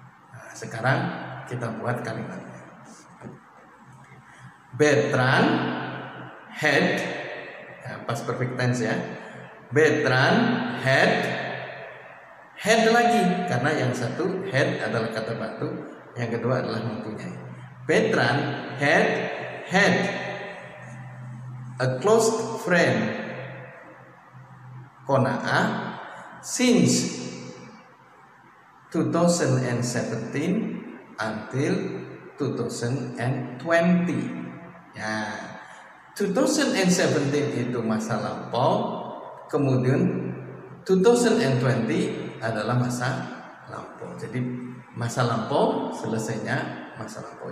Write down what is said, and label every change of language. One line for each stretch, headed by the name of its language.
Indonesian: Nah, sekarang kita buat kalimatnya. Bertrand had, ya, pas perfect tense ya, Bertrand had, had lagi, karena yang satu had adalah kata batu, yang kedua adalah mempunyai.
English: Bertrand had, had a close friend, qona'ah, since 2017 until 2020.
Indonesian: Ya, 2017 itu masa lampau, kemudian 2020 adalah masa lampau. Jadi masa lampau selesainya masa lampau.